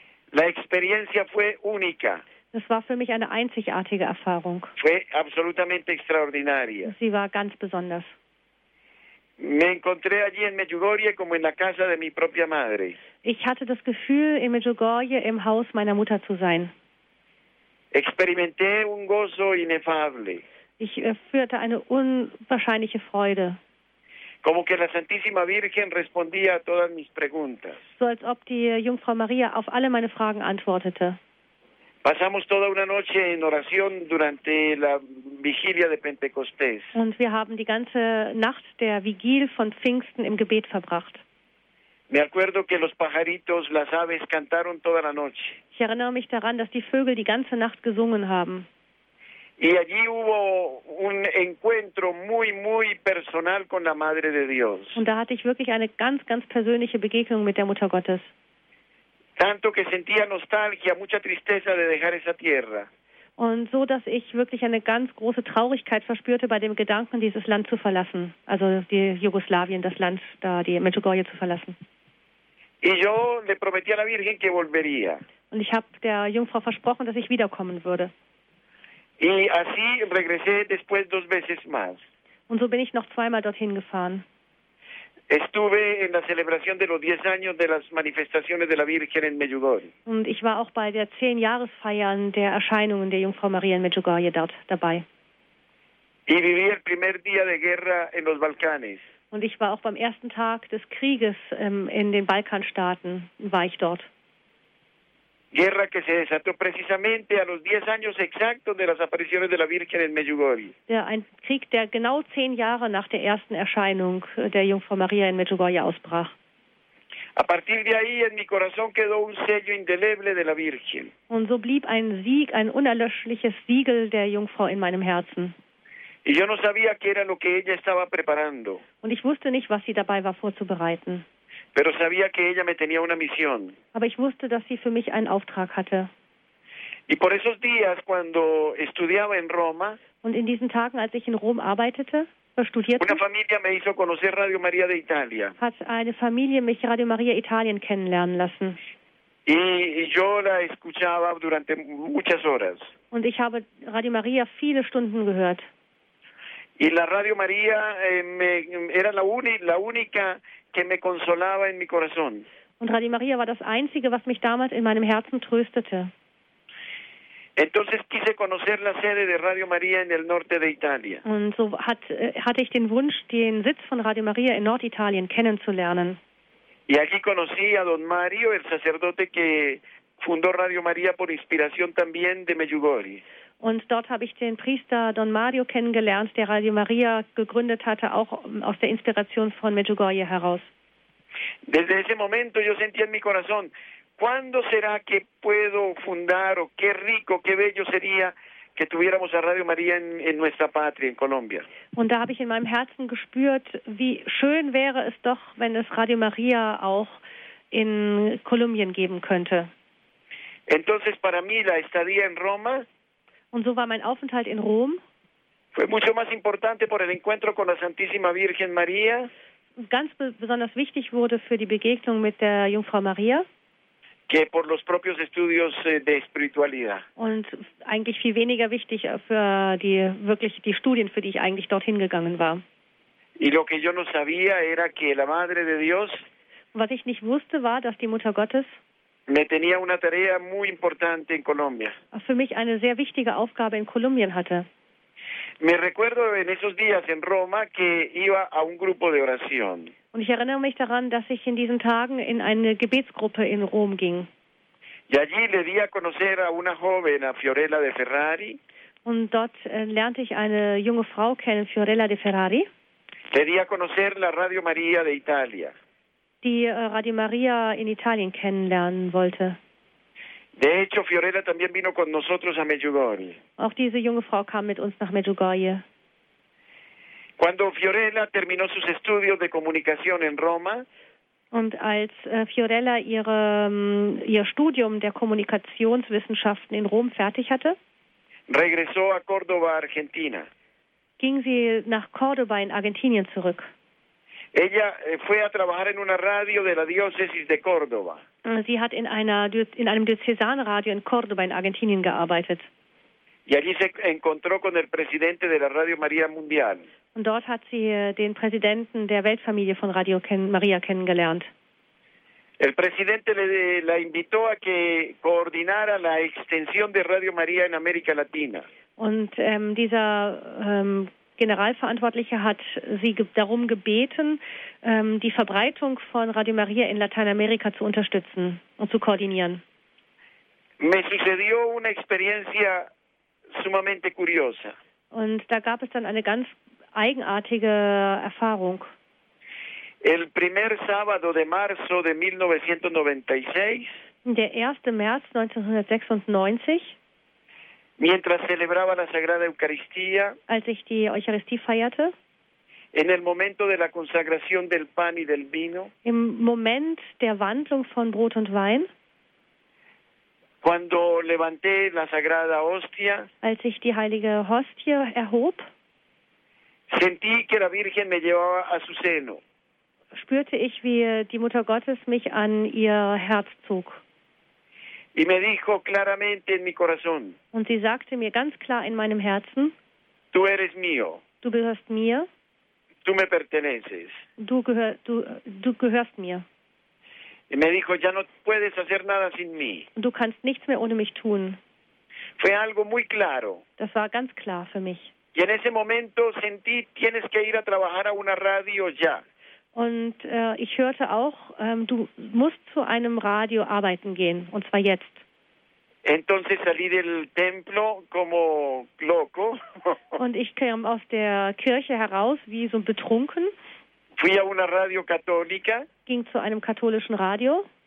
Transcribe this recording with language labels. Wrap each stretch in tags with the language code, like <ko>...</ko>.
<es>La experiencia fue única.</es> <de>Das war für mich eine einzigartige Erfahrung.</de> <es>Fue absolutamente extraordinaria.</es> <de>Sie war ganz besonders.</de> <es>Me encontré allí en Medjugorje como en la casa de mi propia madre.</es> <de>Ich hatte das Gefühl, in Medjugorje im Haus meiner Mutter zu sein.</de> <es>Experimenté un gozo inefable.</es> <de>Ich erfuhrte eine unwahrscheinliche Freude.</de> <es>Como que la Santísima Virgen respondía a todas mis preguntas.</es> <de>So als ob die Jungfrau Maria auf alle meine Fragen antwortete.</de> <es>Pasamos toda una noche en oración durante la vigilia de Pentecostés.</es> <de>Und wir haben die ganze Nacht der Vigil von Pfingsten im Gebet verbracht.</de> <es>Me acuerdo que los pajaritos, las aves, cantaron toda la noche.</es> <de>Ich erinnere mich daran, dass die Vögel die ganze Nacht gesungen haben.</de> <es>Y allí hubo un encuentro muy, muy personal con la Madre de Dios.</es> <de>Und da hatte ich wirklich eine ganz, ganz persönliche Begegnung mit der Mutter Gottes.</de> <es>Tanto que sentía nostalgia, mucha tristeza de dejar esa tierra.</es> <de>Und so, dass ich wirklich eine ganz große Traurigkeit verspürte bei dem Gedanken, dieses Land zu verlassen. Also die Jugoslawien, das Land da, die Medjugorje zu verlassen.</de> <es>Y yo le prometí a la Virgen que volvería.</es> <de>Und ich habe der Jungfrau versprochen, dass ich wiederkommen würde.</de> <es>Y así regresé después dos veces más.</es> <de>Und so bin ich noch zweimal dorthin gefahren.</de> <es>Estuve en la celebración de los 10 años de las manifestaciones de la Virgen en Medjugorje.</es> <de>Und ich war auch bei der 10-Jahresfeier der Erscheinungen der Jungfrau Maria in Medjugorje dort dabei.</de> <es>Y viví el primer día de guerra en los Balcanes.</es> <de>Und ich war auch beim ersten Tag des Krieges in den Balkanstaaten, war ich dort.</de> <es>Guerra que se desató precisamente a los 10 años exactos de las apariciones de la Virgen en Medjugorje.</es> <de>Ja, ein Krieg, der genau 10 Jahre nach der ersten Erscheinung der Jungfrau Maria in Medjugorje ausbrach.</de> <es>A partir de ahí en mi corazón quedó un sello indeleble de la Virgen.</es> <de>Und so blieb ein Sieg, ein unerlöschliches Siegel der Jungfrau in meinem Herzen.</de> <es>Y yo no sabía qué era lo que ella estaba preparando.</es> <de>Und ich wusste nicht, was sie dabei war vorzubereiten.</de> <es>Pero sabía que ella me tenía una misión.</es> <de>Aber ich wusste, dass sie für mich einen Auftrag hatte.</de> <es>Y por esos días, cuando estudiaba en Roma,</es> <de>und in diesen Tagen, als ich in Rom arbeitete, studierten.</de> <es>Una familia me hizo conocer Radio María de Italia.</es> <de>Hat eine Familie mich Radio María Italien kennenlernen lassen.</de> <es>Y yo la escuchaba durante muchas horas.</es> <de>Und ich habe Radio María viele Stunden gehört.</de> <es>Y la Radio María era la única que me consolaba en mi corazón.</es> <de>Und Radio María war das Einzige, was mich damals in meinem Herzen tröstete.</de> <es>Entonces quise conocer la sede de Radio María en el norte de Italia.</es> <de>Und so hatte ich den Wunsch, den Sitz von Radio María in Norditalien kennenzulernen.</de> <es>Y allí conocí a don Mario, el sacerdote que fundó Radio María por inspiración también de Medjugorje.</es> <de>Und dort habe ich den Priester Don Mario kennengelernt, der Radio María gegründet hatte, auch aus der Inspiration von Medjugorje heraus.</de> <es>Desde ese momento yo sentí en mi corazón, ¿cuándo será que puedo fundar o qué rico, qué bello sería que tuviéramos a Radio María en nuestra patria, en Colombia?</es> <de>Und da habe ich in meinem Herzen gespürt, wie schön wäre es doch, wenn es Radio María auch in Kolumbien geben könnte.</de> <es>Entonces para mí la estadía en Roma.</es> <de>Und so war mein Aufenthalt in Rom.</de> <es>Fue mucho más importante por el encuentro con la Santísima Virgen María.</es> <de>Ganz besonders wichtig wurde für die Begegnung mit der Jungfrau Maria.</de> <es>Que por los propios estudios de espiritualidad.</es> <de>Und eigentlich viel weniger wichtig für die Studien, für die ich eigentlich dorthin gegangen war.</de> <es>Y lo que yo no sabía era que la Madre de Dios.</es> <de>Was ich nicht wusste, war, dass die Mutter Gottes.</de> <es>Me tenía una tarea muy importante en Colombia.</es> <de>Für mich eine sehr wichtige Aufgabe in Kolumbien hatte.</de> <es>Me recuerdo en esos días en Roma que iba a un grupo de oración.</es> <de>Und ich erinnere mich daran, dass ich in diesen Tagen in eine Gebetsgruppe in Rom ging.</de> <es>Y allí le di a conocer a una joven, a Fiorella de Ferrari.</es> <de>Und dort lernte ich eine junge Frau kennen, Fiorella de Ferrari.</de> <es>Le di a conocer la Radio María de Italia.</es> <de>Die Radio María in Italien kennenlernen wollte.</de> <es>De hecho, Fiorella también vino con nosotros a Medjugorje.</es> <de>Auch diese junge Frau kam mit uns nach Medjugorje.</de> <es>Cuando Fiorella terminó sus estudios de comunicación en Roma.</es> <de>Und als Fiorella ihr Studium der Kommunikationswissenschaften in Rom fertig hatte.</de> <es>Regresó a Córdoba, Argentina.</es> <de>Ging sie nach Córdoba in Argentinien zurück.</de> <es>Ella fue a trabajar en una radio de la diócesis de Córdoba.</es> <de>Sie hat in einem Diözesanradio in Córdoba in Argentinien gearbeitet.</de> <es>Y allí se encontró con el presidente de la Radio María Mundial.</es> <de>Und dort hat sie den Präsidenten der Weltfamilie von Radio María kennengelernt.</de> <es>El presidente la invitó a que coordinara la extensión de Radio María en América Latina.</es> <de>Und dieser Generalverantwortliche hat sie darum gebeten, die Verbreitung von Radio María in Lateinamerika zu unterstützen und zu koordinieren.</de> <es>Me sucedió una experiencia sumamente curiosa.</es> <de>Und da gab es dann eine ganz eigenartige Erfahrung.</de> <es>El primer sábado de marzo de 1996.</es> <de>Der 1. März 1996.</de> <es>Mientras celebraba la Sagrada Eucaristía,</es> <de>als ich die Eucharistie feierte,</de> <es>en el momento de la consagración del pan y del vino,</es> <de>im Moment der Wandlung von Brot und Wein,</de> <es>cuando levanté la Sagrada Hostia,</es> <de>als ich die Heilige Hostie erhob,</de> <es>sentí que la Virgen me llevaba a su seno.</es> <de>Spürte ich, wie die Mutter Gottes mich an ihr Herz zog.</de> <es>Y me dijo claramente en mi corazón.</es> <de>Und sie sagte mir ganz klar in meinem Herzen.</de> <es>Tú eres mío.</es> <de>Du gehörst mir.</de> <es>Tú me perteneces.</es> <de>Du gehörst mir.</de> <es>Y me dijo, ya no puedes hacer nada sin mí.</es> <de>Du kannst nichts mehr ohne mich tun.</de> <es>Fue algo muy claro.</es> <de>Das war ganz klar für mich.</de> <es>Y en ese momento sentí, tienes que ir a trabajar a una radio ya.</es> <de>Und ich hörte auch, du musst zu einem Radio arbeiten gehen, und zwar jetzt.</de> <es>Entonces salí del templo como loco.</es> <de>Und ich kam aus der Kirche heraus, wie so betrunken.</de> <es>Fui a una radio católica.</es> <de>Ging zu einem katholischen Radio.</de>